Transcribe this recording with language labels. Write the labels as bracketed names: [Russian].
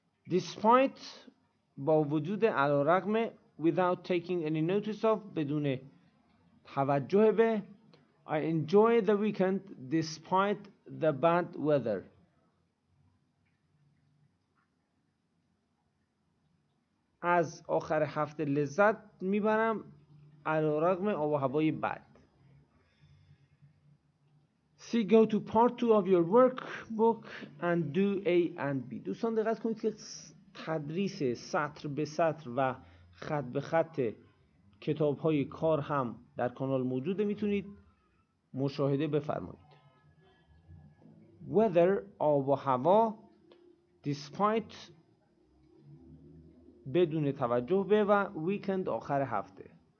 [English] Despite [Persian] با وجود علارغم [English] without taking any notice of [Persian] بدون توجه به [English] I enjoy the weekend despite the bad weather. [Persian] از آخر هفته لذت می برم علارغم آب و هوای بد. [English] C, go to part 2 of your workbook and do A and B. [Persian] دوستان دقت کنید که تدریس سطر به سطر و خط به خط کتاب‌های کار هم در کانال موجوده، میتونید مشاهده بفرمایید. Weather آب و هوا despite بدون توجه به و weekend آخر هفته.